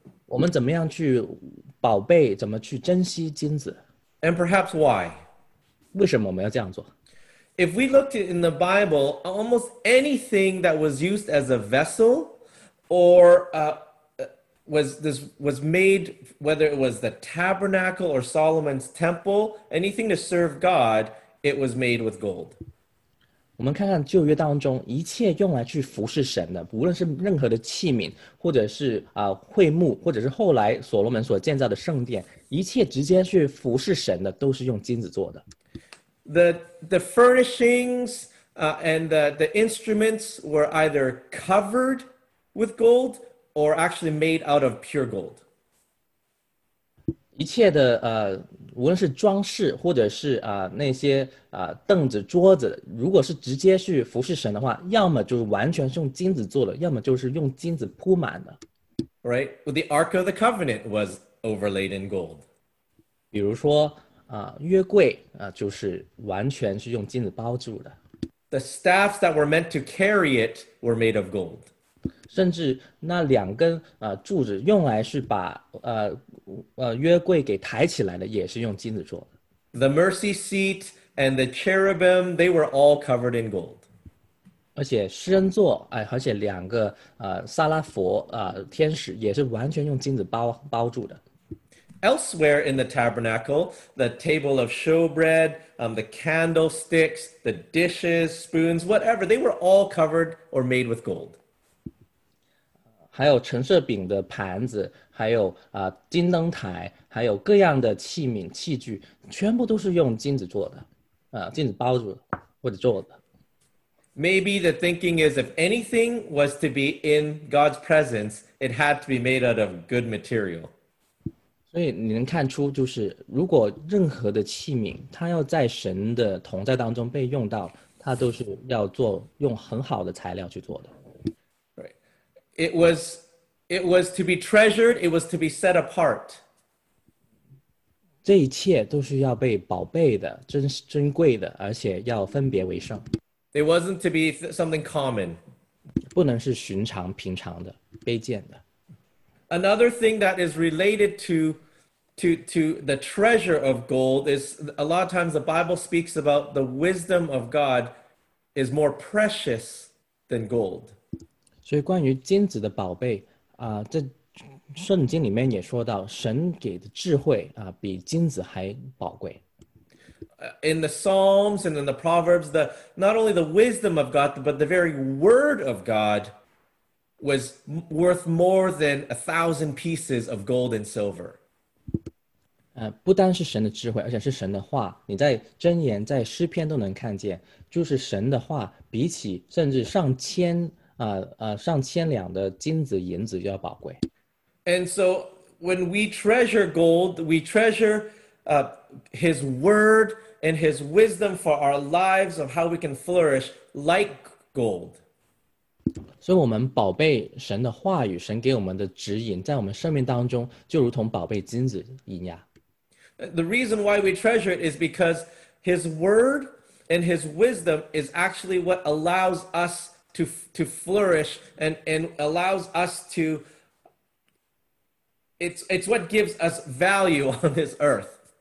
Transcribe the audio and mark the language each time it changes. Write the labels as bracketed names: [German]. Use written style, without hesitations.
[Chinese] 我们怎么样去宝贝，怎么去珍惜金子？ [English] And perhaps why? [Chinese] 为什么我们要这样做？ [English] If we looked in the Bible, almost anything that was used as a vessel or was made, whether it was the tabernacle or Solomon's temple, anything to serve God, it was made with gold. [Chinese] 我们看看旧约当中一切用来去服侍神的，无论是任何的器皿，或者是会幕，或者是后来所罗门所建造的圣殿，一切直接去服侍神的都是用金子做的。 [English] The furnishings and the instruments were either covered with gold or actually made out of pure gold. [Chinese] 一切的无论是装饰或者是那些凳子桌子，如果是直接去服侍神的话，要么就是完全是用金子做的，要么就是用金子铺满的。 [English] Right, well, the Ark of the Covenant was overlaid in gold. [Chinese] 比如说。约柜就是完全是用金子包住的。 [English] The staffs that were meant to carry it were made of gold. [Chinese] 甚至那两根柱子用来是把约柜给抬起来的，也是用金子做的。 [English] The mercy seat and the cherubim, they were all covered in gold. [Chinese] 而且施恩座，而且两个撒拉佛天使也是完全用金子包住的。 [English] Elsewhere in the tabernacle, the table of showbread, the candlesticks, the dishes, spoons, whatever, they were all covered or made with gold. [Chinese] 还有陈设饼的盘子，还有金灯台，还有各样的器皿器具，全部都是用金子做的，金子包住或者做的。 [English] Maybe the thinking is if anything was to be in God's presence, it had to be made out of good material. [Chinese] 所以你能看出，就是如果任何的器皿，它要在神的同在当中被用到，它都是要做用很好的材料去做的。 [English] Right. It was to be treasured. It was to be set apart. [Chinese] 这一切都是要被宝贝的、珍贵的，而且要分别为圣。 [English] It wasn't to be something common. [Chinese] 不能是寻常、平常的、卑贱的。 [English] Another thing that is related to the treasure of gold is a lot of times the Bible speaks about the wisdom of God is more precious than gold. [Chinese] 所以关于金子的宝贝这圣经里面也说到神给的智慧比金子还宝贵。 [English] In the Psalms and in the Proverbs, not only the wisdom of God, but the very word of God was worth more than 1,000 pieces of gold and silver. [Chinese] 不单是神的智慧，而且是神的话。你在箴言、在诗篇都能看见，就是神的话比起甚至上千两的金子、银子要宝贵。 [English] And so when we treasure gold, we treasure His word and His wisdom for our lives of how we can flourish like gold. [Chinese] 所以我们宝贝神的话语，神给我们的指引，在我们生命当中就如同宝贝金子一样。 [English] The reason why we treasure it is because His word and His wisdom is actually what allows us to flourish and allows us to, it's what gives us value on this earth.